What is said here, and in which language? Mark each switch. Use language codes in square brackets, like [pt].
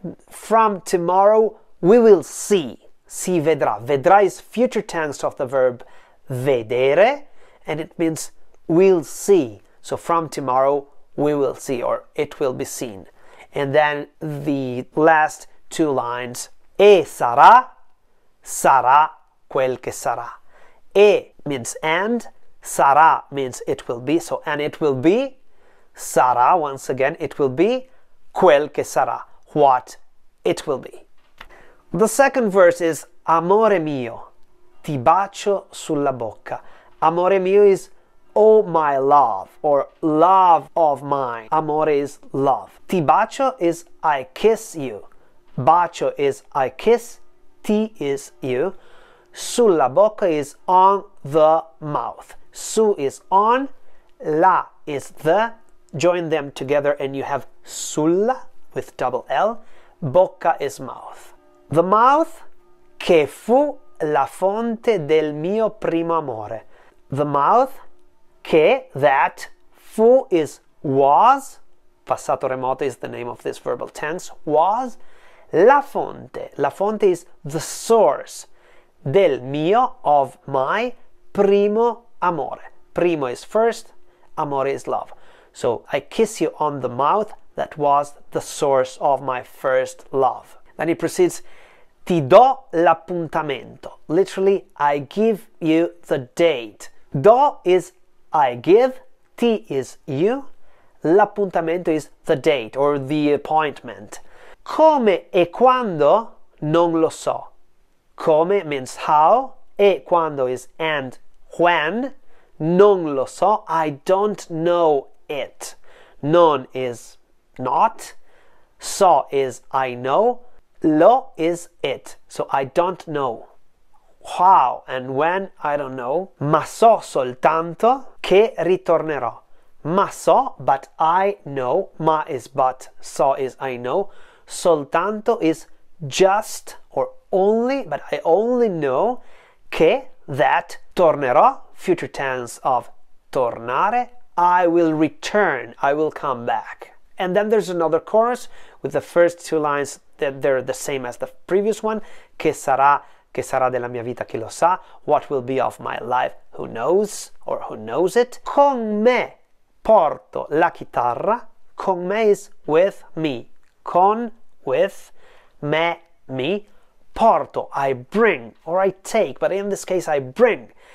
[en] From tomorrow, we will see. [it] Si vedrà, vedrà [en] is future tense of the verb [it] vedere, [en] and it means we'll see. So from tomorrow, we will see, or it will be seen. And then the last two lines. [it] E sarà, sarà quel che sarà. E [en] means and, [it] sarà [en] means it will be. So and it will be, [it] sarà, [en] once again, it will be, [it] quel che sarà, [en] what it will be. The second verse is [it] amore mio, ti bacio sulla bocca. Amore mio [en] is oh my love, or love of mine. [it] Amore [en] is love. [it] Ti bacio [en] is I kiss you. [it] Bacio [en] is I kiss. [it] Ti [en] is you. [it] Sulla bocca [en] is on the mouth. [it] Su [en] is on. [it] La [en] is the. Join them together and you have [it] sulla [en] with double L. [it] Bocca [en] is mouth. The mouth [it] che fu la fonte del mio primo amore. [en] The mouth [it] che, [en] that, [it] fu [en] is was, [it] passato remoto [en] is the name of this verbal tense, was, [it] la fonte [en] is the source, [it] del mio, [en] of my, [it] primo amore. Primo [en] is first, [it] amore [en] is love. So, I kiss you on the mouth, that was the source of my first love. Then he proceeds, [it] ti do l'appuntamento. [en] Literally, I give you the date. [it] Do [en] is I give, [it] ti [en] is you, [it] l'appuntamento [en] is the date or the appointment. [it] Come e quando, non lo so. Come [en] means how, [it] e quando [en] is and when, [it] non lo so, [en] I don't know it. [it] Non [en] is not, [it] so [en] is I know, [it] lo [en] is it, so I don't know. How and when, I don't know. [it] Ma so soltanto che ritornerò. Ma so, [en] but I know. [it] Ma [en] is but, [it] so [en] is I know. [it] Soltanto [en] is just or only, but I only know [it] che, [en] that, [it] tornerò, [en] future tense of [it] tornare, [en] I will return, I will come back. And then there's another chorus with the first two lines that they're the same as the previous one. [it] Che sarà, che sarà della mia vita, chi lo sa? [en] What will be of my life, who knows, or who knows it? [it] Con me porto la chitarra. Con me [en] is with me. [it] Con, [en] with, me, me. [it] Porto, [en] I bring, or I take, but in this case I bring.